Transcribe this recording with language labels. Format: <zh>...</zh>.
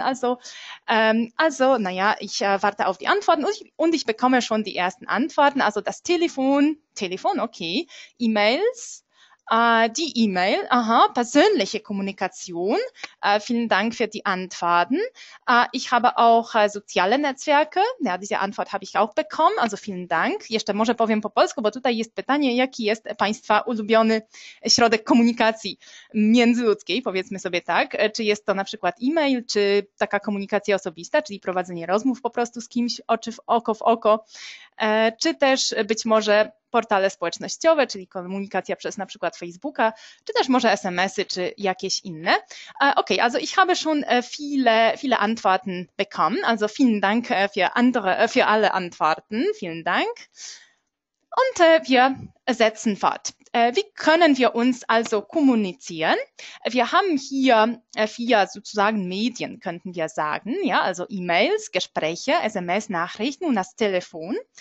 <de>Also, naja, ich warte auf die Antworten und ich bekomme schon die ersten Antworten. Also das Telefon, okay. E-Mails, die E-Mail, aha, persönliche Kommunikation. Vielen Dank für die Antworten. Ich habe auch soziale Netzwerke. Ja, diese Antwort habe ich auch bekommen. Also vielen Dank.</de> <pl>Jeszcze może powiem po polsku, bo tutaj jest pytanie, jaki jest Państwa ulubiony środek komunikacji międzyludzkiej, powiedzmy sobie tak. Czy jest to na przykład e-mail, czy taka komunikacja osobista, czyli prowadzenie rozmów po prostu z kimś oko w oko, czy też być może portale społecznościowe, czyli komunikacja przez na przykład Facebooka, czy też może SMS-y, czy jakieś inne.</pl> <de>Okay, also ich habe schon viele, viele Antworten bekommen. Also vielen Dank für alle Antworten. Vielen Dank. Und wir setzen fort. Wie können wir uns also kommunizieren? Wir haben hier vier sozusagen Medien, könnten wir sagen, ja, also E-Mails, Gespräche, SMS-Nachrichten und das Telefon.</de>